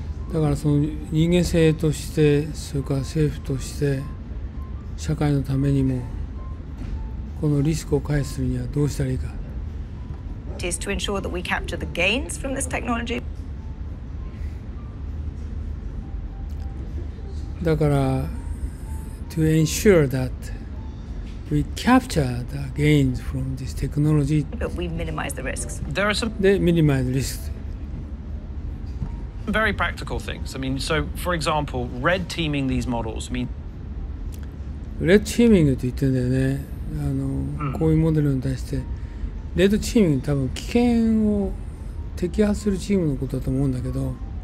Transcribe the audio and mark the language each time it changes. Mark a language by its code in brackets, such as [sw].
[ja] だからその人間性として、それから政府として、社会のためにも、このリスクを回避するにはどうしたらいいか。 [en] Is to ensure that we capture the gains from this technology. [ja] だから [en] to ensure that we capture the gains from this technology. But we minimize the risks. There are some. They minimize the risks. Very practical things. I mean, so for example, red teaming these models. I mean, [ja] red teaming って言ってんだよね。こういうモデルに対して。レッドチームに多分危険を摘発するチームのことだと思うんだけど、